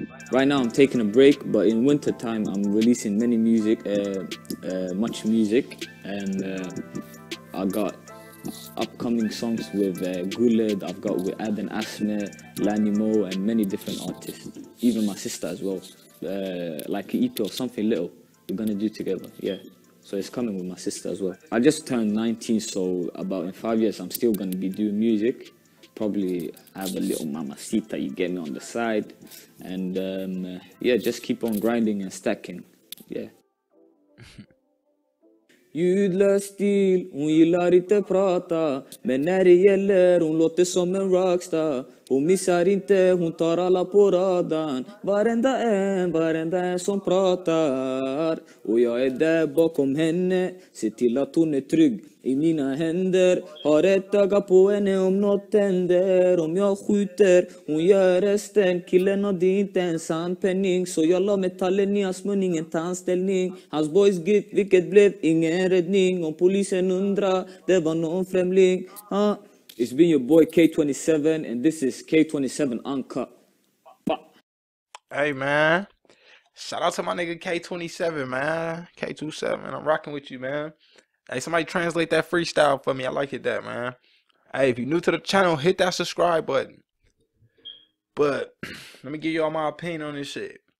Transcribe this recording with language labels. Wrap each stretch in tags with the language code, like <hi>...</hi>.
<en>Right now I'm taking a break, but in winter time I'm releasing much music, and I got upcoming songs with Gulid, I've got with Aden Asne, Lani Mo, and many different artists, even my sister as well, like Ito, something little we're gonna do together, yeah. So it's coming with my sister as well. I just turned 19, so about in 5 years I'm still gonna be doing music. Probably have a little mamacita, you get me, on the side. And yeah, just keep on grinding and stacking. Yeah.</en> <sv>Ljudlös stil, hon gillar inte prata. Men när det gäller, hon låter som en rockstar. Hon missar inte, hon tar alla på radan. Varenda en som pratar. Och jag är där bakom henne. Se till att hon är trygg i mina händer. Har ett öga på henne om något händer. Om jag skjuter, hon gör resten. Killen hade inte en sandpenning. Så jag la metallen i hans mun, ingen tandställning. Hans boys gick, vilket blev ingen räddning. Om polisen undrar, det var någon främling. Ha.</sv> <en>It's been your boy K27, and this is K27 Uncut. Hey, man. Shout out to my nigga K27, man. K27, I'm rocking with you, man. Hey, somebody translate that freestyle for me. I like it that, man. Hey, if you're new to the channel, hit that subscribe button. But let me give you all my opinion on this shit.</en>